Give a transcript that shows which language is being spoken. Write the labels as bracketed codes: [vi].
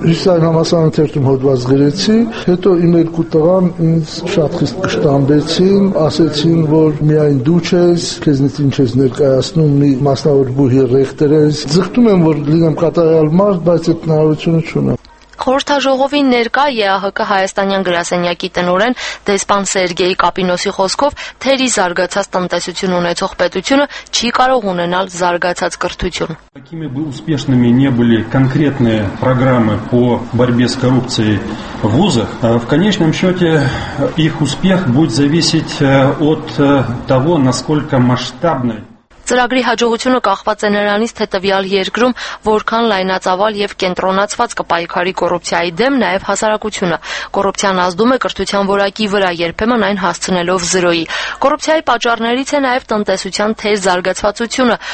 [hy] Հյուսիսային համալսարանի թերթում հոդված գրեցի, հետո իմ երկու տղան ինձ շատ խիստ կշտամբեցին, ասացին, որ միայն դու ես, քեզնից ինչ ես ներկայացնում, մի մասնավոր բուհի ռեկտոր ես։ Ձգտում եմ, որ լինեմ կատարյալ մարդ, բայց այդ հնարավորությունը չունեմ։ Խորհրդաժողովի ներկա ԵԱՀԿ Հայաստանյան գրասենյակի տնօրեն դեսպան Սերգեյ Կապինոսի խոսքով թերի զարգացած տնտեսություն ունեցող պետությունը չի կարող ունենալ զարգացած կրթություն։ [ru] Какими бы успешными не были конкретные программы по борьбе с коррупцией в вузах, в конечном счете их успех будет зависеть от того, насколько масштабны. [hy] Ծրագրի հաջողությունը կախված է նրանից, թե տվյալ երկրում որքան լայնածավալ և կենտրոնացված կպայքարի կոռուպցիայի դեմ նաև հասարակությունը։ Կոռուպցիան ազդում է կրթության որակի վրա, երբեմն այն հասցնելով զրոյի։ Կոռուպցիայի պատճառներից է նաև տնտեսության թեր զարգացվածությունը,